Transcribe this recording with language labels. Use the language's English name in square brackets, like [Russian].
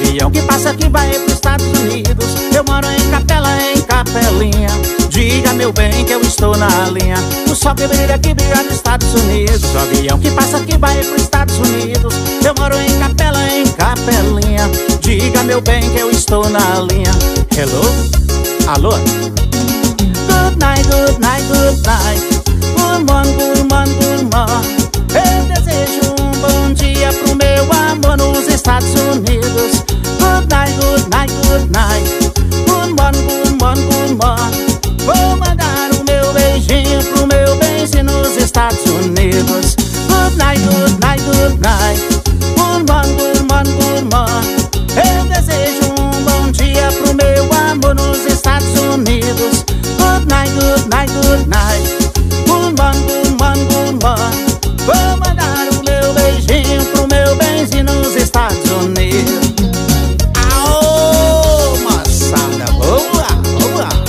[Portuguese] Que passa que vai pros Estados Unidos. Eu moro em Capela, em Capelinha. Diga, meu bem, que eu estou na linha. O sol que brilha, que brilha nos Estados Unidos. O avião que passa, que vai pros Estados Unidos. Eu moro em Capela, em Capelinha. Diga, meu bem, que eu estou na linha. [English] Hello? Alô? Good night, good night, good night. Good morning, good morning, good morning. [Portuguese] Eu desejo um bom dia pro meu amor nos Estados Unidos. [English] Good night, good night, good night. Good morning, good morning, good morning. [Portuguese] Vou mandar o meu beijinho pro meu benzinho nos Estados Unidos. [English] Good night, good night, good night. Good morning, good morning, good morning. [Portuguese] Eu desejo um bom dia pro meu amor nos Estados Unidos. [English] Good night, good night. Good morning, good morning, good morning. [Portuguese] Vou mandar o meu beijinho pro meu benzinho nos Estados Unidos. Aô, moçada, boa, boa.